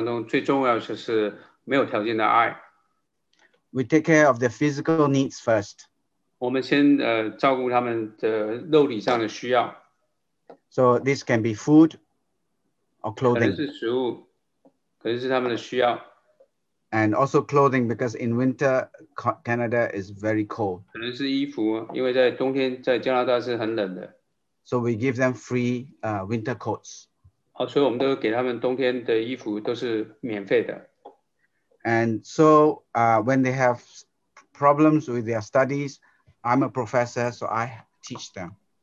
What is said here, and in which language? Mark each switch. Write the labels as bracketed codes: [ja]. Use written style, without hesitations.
[zh] 所以对我们来说，我们在牧养，在这些国际的学生当中，最重要的是没有条件的爱。 [en] We take care of their physical needs first. [zh] 我们先照顾他们的肉体上的需要。 [en] So this can be food or clothing. [zh] 可能是食物, 可能是他们的需要。 [en] And also clothing, because in winter, Canada is very cold. [zh] 可能是衣服, 因为在冬天在加拿大是很冷的。 [en] So we give them free winter coats. [zh] 好, 所以我们都给他们冬天的衣服都是免费的。 [en] And so when they have problems with their studies, I'm a professor, so I teach them.